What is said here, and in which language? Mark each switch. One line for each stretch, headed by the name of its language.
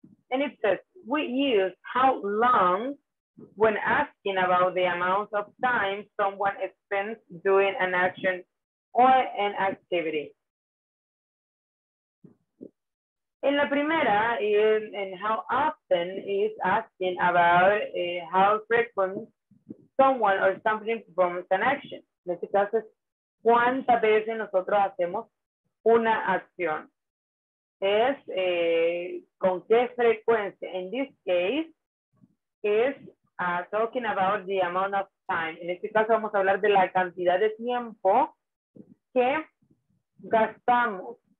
English: And it says, we use how long when asking about the amount of time someone spends doing an action or an activity.
Spanish: En la primera,
English: in how often is asking about how frequent someone or something performs an action.
Spanish: En este caso, ¿cuántas veces nosotros hacemos una acción? Es con qué frecuencia.
English: In this case, is talking about the amount of time.
Spanish: En este caso, vamos a hablar de la cantidad de tiempo que gastamos